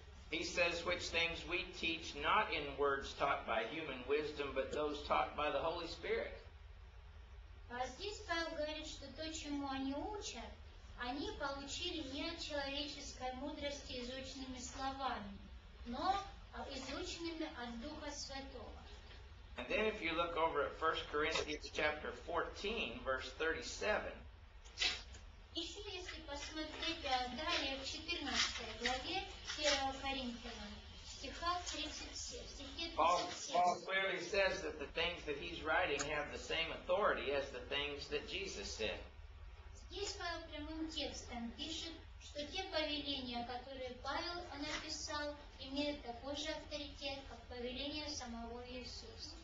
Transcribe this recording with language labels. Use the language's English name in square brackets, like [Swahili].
[English] He says, which things we teach not in words taught by human wisdom, but those taught by the Holy Spirit. [Russian] А здесь Павел говорит, что то, чему они учат, они получили не от человеческой мудрости изученными словами, но изученными от Духа Святого. [English] And then if you look over at 1 Corinthians chapter 14, verse 37. [Russian] Еще если посмотреть далее в 14 главе 1 Коринфяна, стихах 37. [English] Paul clearly says that the things that he's writing have the same authority as the things that Jesus said. [Russian] Здесь Павел прямым текстом пишет, что те повеления, которые Павел написал, имеют такой же авторитет, как повеления самого Иисуса.